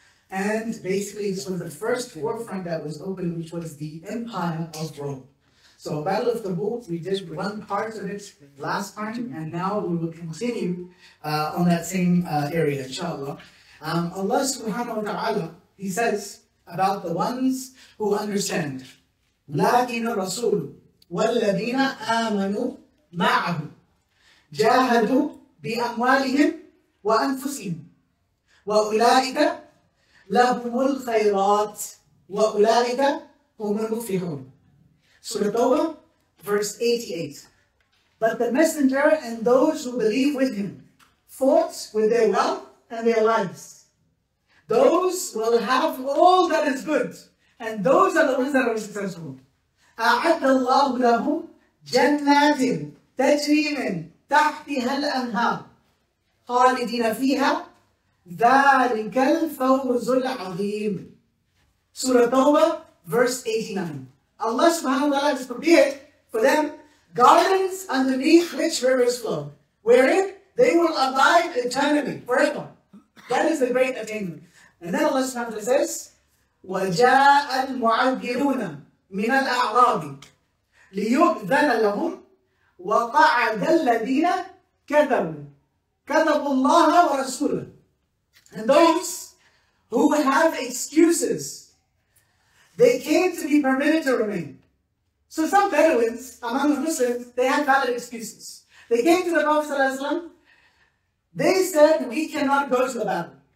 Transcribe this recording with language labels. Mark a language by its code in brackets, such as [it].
[en] And basically, this was the first war front that was opened, which was the Empire of Rome. So Battle of Tabook, we did one part of it last time, and now we will continue on that same area, inshallah. Allah subhanahu wa ta'ala, he says about the ones who understand. [ar] لكن الرسول والذين آمنوا معه جاهدوا بأموالهم وأنفسهم وأولئك لهم الخيرات وأولئك هم المفلحون. [en] Surah Tawbah, verse 88. But the messenger and those who believe with him fought with their wealth and their lives. Those will have all that is good, and those are the ones that are successful. [ar] أعد الله لهم جنات تجري من تحتها الأنهار خالدين فيها ذلك الفوز العظيم. [en] Surah Tawbah, verse 89. Allah subhanahu wa ta'ala has prepared for them gardens underneath which rivers flow, wherein they will abide eternally, forever. That is the great attainment. And then Allah subhanahu wa ta'ala says, [ar] وَجَاءَ الْمُعَجِّلُونَ مِنَ الْأَعْرَابِ لِيُؤْذَنَ لَهُمْ وَقَعَدَ الَّذِينَ كَذَبُوا كَذَبُوا اللَّهَ وَرَسُولَهُ. [en] And those who have excuses, they came to be permitted to remain. So some Bedouins among the Muslims, they had valid excuses. They came to the Prophet ﷺ, they said, we cannot go to the battle.